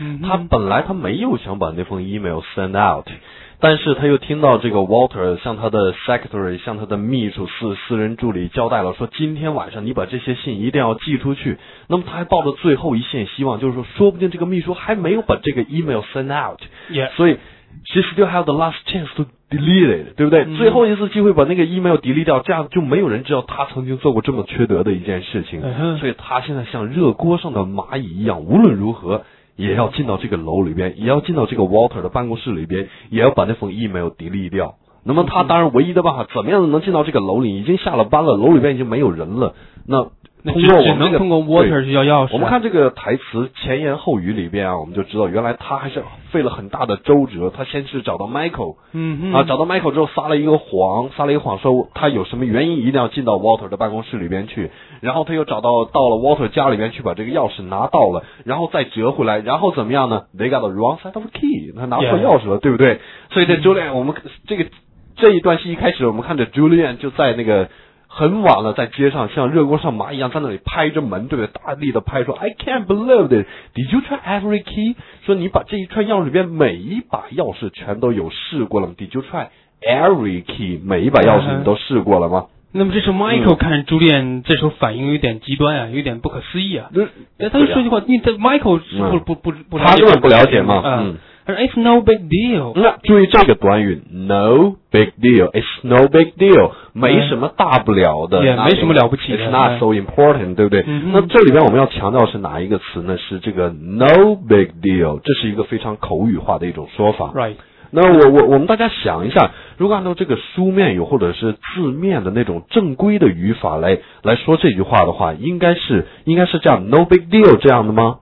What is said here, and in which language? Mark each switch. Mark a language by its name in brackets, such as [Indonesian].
[Chinese] 他本来他没有想把那封 email send out，但是他又听到这个 Walter 向他的 secretary 向他的秘书私人助理交代了，说今天晚上你把这些信一定要寄出去。那么他还抱着最后一线希望，就是说说不定这个秘书还没有把这个 email send out、 yeah. 所以 [English] she still have the last chance to delete it， [Chinese] 对不对？最后一次机会把那个 email delete 掉，这样就没有人知道他曾经做过这么缺德的一件事情。所以他现在像热锅上的蚂蚁一样，无论如何也要进到这个楼里边，也要进到这个 Walter 的办公室里边，也要把那封 email 抵立掉。那么他当然唯一的办法，怎么样能进到这个楼里？已经下了班了，楼里边已经没有人了。那通过我、只能通过 Water 去要钥匙、我们看这个台词前言后语里边啊，我们就知道原来他还是费了很大的周折。他先是找到 Michael， 找到 Michael 之后撒了一个谎，说他有什么原因一定要进到 Water 的办公室里边去。然后他又找到了 Water 家里边去，把这个钥匙拿到了，然后再折回来，然后怎么样呢 ？ [English] They got the wrong side of the key， [Chinese] 他拿错钥匙了， yeah. 对不对？所以这 Julian， 我们这一段戏一开始，我们看着 Julian 就在那个。很晚了，在街上像热锅上蚂蚁一样在那里拍着门，对不对？大力的拍说 [English] ：“I can't believe this. Did you try every key？” [Chinese] 说你把这一串钥匙里边每一把钥匙全都有试过了吗 ？ [English] Did you try every key？ [Chinese] 每一把钥匙你都试过了吗？那么这时候 Michael 看朱莉安这时候反应有点极端啊，有点不可思议啊。他就说句话，你这 Michael 是不是不他就是不了解吗？ [English] It's no big deal。 [Chinese] 那注意这个短语 ，no big deal。 [English] It's no big deal， [Chinese] 没什么大不了的，也没什么了不起的。 [English] It's not so important， [Chinese] 对不对？嗯、那这里边我们要强调是哪一个词呢？是这个 no big deal， 这是一个非常口语化的一种说法。 [English] Right。 [Chinese] 那我们大家想一下，如果按照这个书面语或者是字面的那种正规的语法来说这句话的话，应该是这样 ，no big deal 这样的吗？